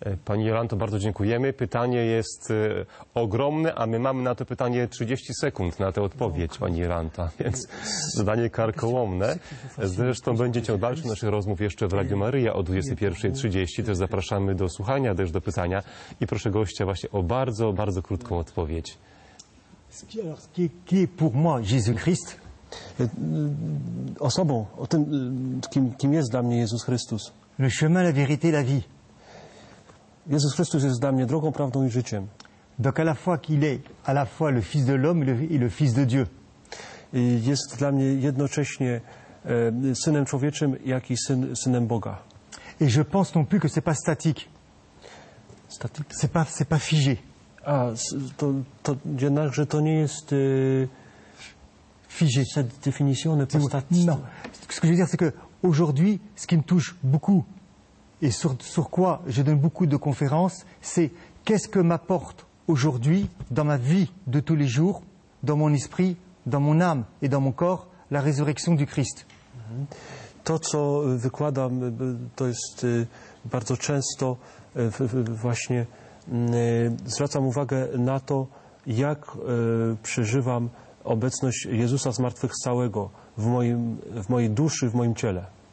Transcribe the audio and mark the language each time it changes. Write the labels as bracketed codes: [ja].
[pl] Pani Jolanto, bardzo dziękujemy. Pytanie jest ogromne, a my mamy na to pytanie 30 sekund, na tę odpowiedź, Pani Jolanto, więc zadanie karkołomne. Zresztą będzie ciąg dalszy naszych rozmów jeszcze w Radiu Maryja o 21.30. Też zapraszamy do słuchania, też do pytania. I proszę gościa właśnie o bardzo, bardzo krótką odpowiedź. [fr] Qui pour moi Jésus Christ? [pl] Osobą, o tym, kim jest dla mnie Jezus Chrystus. [fr] Le chemin, la vérité, la vie. [pl] Jezus Chrystus jest dla mnie drogą, prawdą i życiem. [fr] Donc à la fois qu'il est à la fois le fils de l'homme et le fils de Dieu. [pl] Jest dla mnie jednocześnie synem człowieczym, jak i synem Boga. [fr] Et je pense non plus que c'est pas statique. Statique, c'est pas figé. [pl] A to jednakże to nie jest [fr] figé, cette définition n'est pas statique. Non. Ce que je veux dire c'est que aujourd'hui, ce qui me touche beaucoup et sur quoi je donne beaucoup de conférences, c'est qu'est-ce que m'apporte aujourd'hui dans ma vie de tous les jours, dans mon esprit, dans mon âme et dans mon corps, la résurrection du Christ. [pl] To, co wykładam, to jest bardzo często właśnie zwracam uwagę na to, jak przeżywam obecność Jezusa zmartwychwstałego w mojej duszy, w moim ciele.